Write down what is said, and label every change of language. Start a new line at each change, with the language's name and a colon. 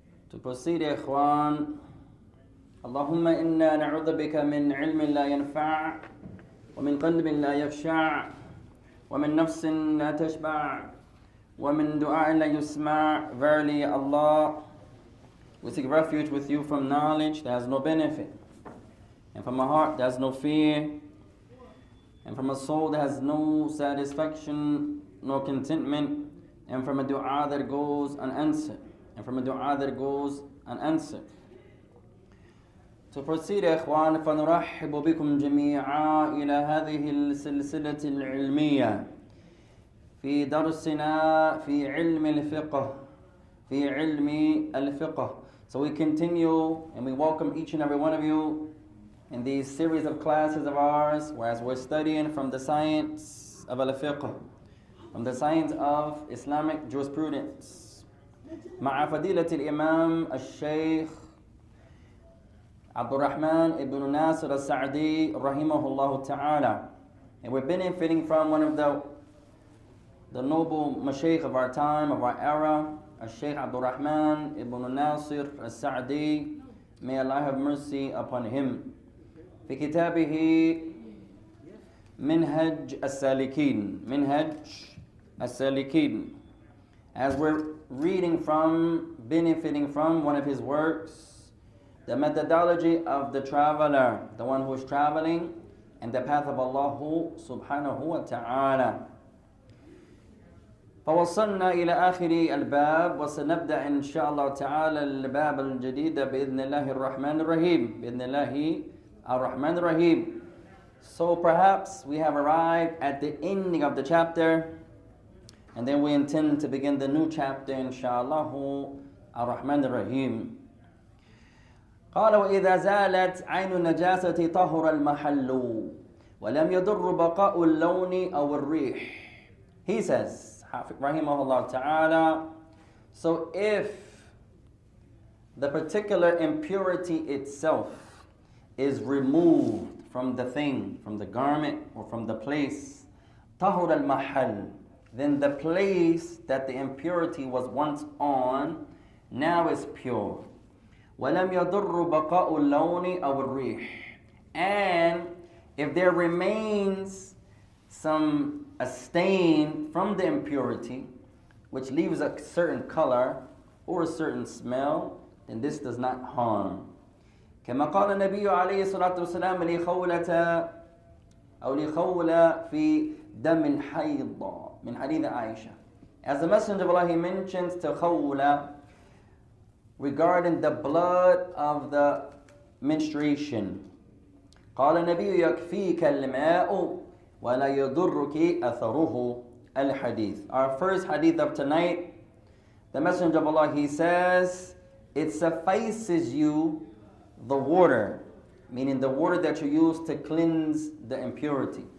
English: To proceed, ikhwan,
Arabic: Allahumma inna na'udhu bika min ilmin la yanfa' wa min qalbin la yafsha' وَمِن نَفْسٍ لَا تَشْبَعْ وَمِن دُعَاءٍ لَا يُسْمَعْ
English: Verily Allah, we seek refuge with you from knowledge that has no benefit, and from a heart that has no fear, and from a soul that has no satisfaction, no contentment, and from a dua that goes unanswered, and from a dua that goes unanswered. To proceed,
Arabic: إخوان, فنرحب بكم جميعا إلى هذه السلسلة العلمية في درسنا في علم الفقه في علم الفقه.
English: So we continue and we welcome each and every one of you in these series of classes of ours, whereas we're studying from the science of al-fiqh, from the science of Islamic jurisprudence.
Arabic: مع فضيلة الإمام الشيخ عبد الرحمن ابن ناصر السعدي رحمه الله تعالى.
English: And we're benefiting from one of the noble mashaykh of our time, of our era, Shaykh Abdul Rahman ibn Nasir al-Sa'di. May Allah have mercy upon him.
Arabic: في كتابه منهج السالكين. منهج السالكين.
English: As we're reading from, benefiting from one of his works, The methodology of the traveler, the one who is traveling, and the path of Allah subhanahu wa ta'ala.
Arabic: فوصلنا إلى آخر الباب وسنبدأ إن شاء الله تعالى الباب الجديد بإذن الله الرحمن الرحيم بإذن الله الرحمن الرحيم.
English: So perhaps we have arrived at the ending of the chapter, and then we intend to begin the new chapter
Arabic: إن شاء الله الرحمن الرحيم. قال وإذا زالت عين النجاسة طهر المحل ولم يضر بقاء اللون أو الريح.
English: He says,
Arabic: رحمه الله تعالى,
English: So if the particular impurity itself is removed from the thing, from the garment or from the place,
Arabic: طهر المحل,
English: then the place that the impurity was once on now is pure.
Arabic: وَلَمْ يَضُرُّ بَقَاءُ اللَّوْنِ أَوْ الرِّيحِ
English: And if there remains some a stain from the impurity, which leaves a certain color or a certain smell, then this does not harm.
Arabic: كَمَا قَالَ النَّبِيُّ عَلَيْهِ الصَّلَاةُ وَالسَّلَامُ لِخَوْلَةَ أَوْ لِخَوْلَ فِي دَمٍ حَيْضًا مِنْ حَدِيثِ عَائِشَةَ
English: As the Messenger of Allah, he mentions to خَوْلَ regarding the blood of the menstruation.
Arabic: قَالَ النَّبِيُّ يَكْفِيكَ الْمَاءُ وَلَا يَضُرُّكِ أَثَرُهُ الْحَدِيثِ
English: Our first hadith of tonight, the Messenger of Allah, he says, it suffices you the water, meaning the water that you use to cleanse the impurity.